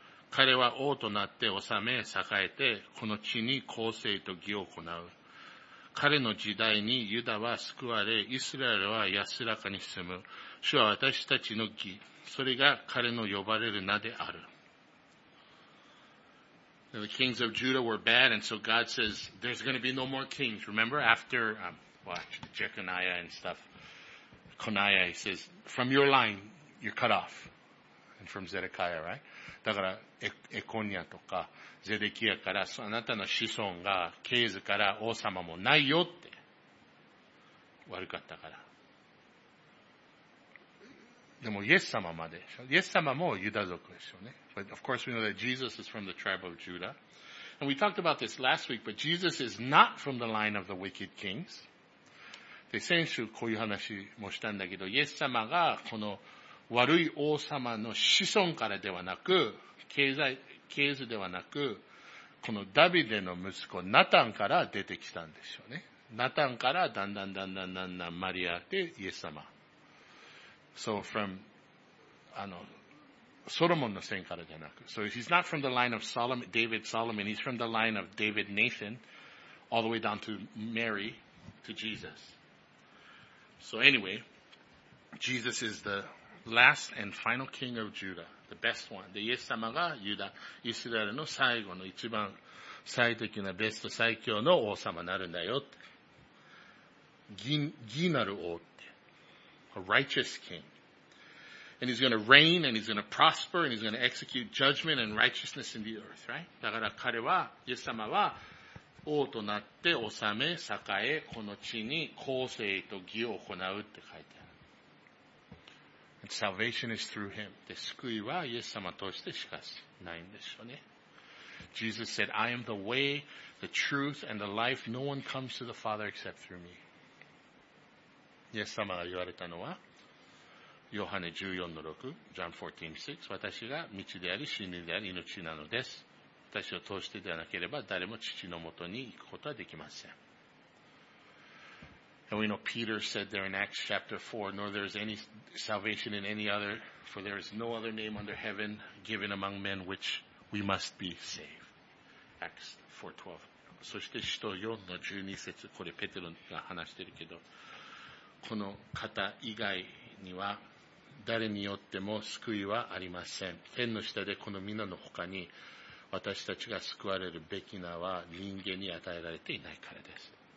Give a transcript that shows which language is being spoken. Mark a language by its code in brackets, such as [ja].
[ja] 彼は王となって治め、栄えて、この地に公正と義を行う。彼の時代にユダは救われ、イスラエルは安らかに住む。主は私たちの義。それが彼の呼ばれる名である。 [en] The kings of Judah were bad, and so God says, there's going to be no more kings. Remember, after, Jeconiah and stuff, Coniah, he says, from your line, you're cut off. And from Zedekiah, right? [ja] だから、エコニアとか、ゼデキアから、あなたの子孫が、ケイズから王様もないよって。悪かったから。でも、イエス様まで。イエス様もユダ族でしょうね。 [en] But of course we know that Jesus is from the tribe of Judah. And we talked about this last week, but Jesus is not from the line of the wicked kings. [ja] で、先週こういう話もしたんだけど、イエス様がこの悪い王様の子孫からではなく、経図ではなく、このダビデの息子、ナタンから出てきたんですよね。ナタンからだんだんだんだんだんだんマリアでイエス様。 [en] So from, [ja] ソロモンの線からじゃなく。 [en] So he's not from the line of Solomon, David Solomon, he's from the line of David Nathan, all the way down to Mary, to Jesus. So anyway, Jesus is the last and final king of Judah. The best one. [ja] で、イエス様がユダ、イスラエルの最後の一番最適なベスト最強の王様になるんだよって。義なる王って。 [en] A righteous king. And he's gonna reign and he's gonna prosper and he's gonna execute judgment and righteousness in the earth, right? [ja] だから彼は、イエス様は王となって治め、栄え、この地に公正と義を行うって書いてある。 [en] And salvation is through him. [ja] で、救いはイエス様としてしかしないんでしょうね。 [en] Jesus said, I am the way, the truth, and the life. No one comes to the Father except through me. [ja] イエス様が言われたのは、ヨハネ 14-6, John 14-6, 私が道であり、真理であり、命なのです。私を通してではなければ、誰も父のもとに行くことはできません。 [en] And we know Peter said there in Acts chapter 4, nor there is any salvation in any other, for there is no other name under heaven given among men which we must be saved. Acts 4:12. [ja] そして使徒4の12節、これペテロが話してるけど、この方以外には誰によっても救いはありません。天の下でこの皆の他に私たちが救われるべき名は人間に与えられていないからです。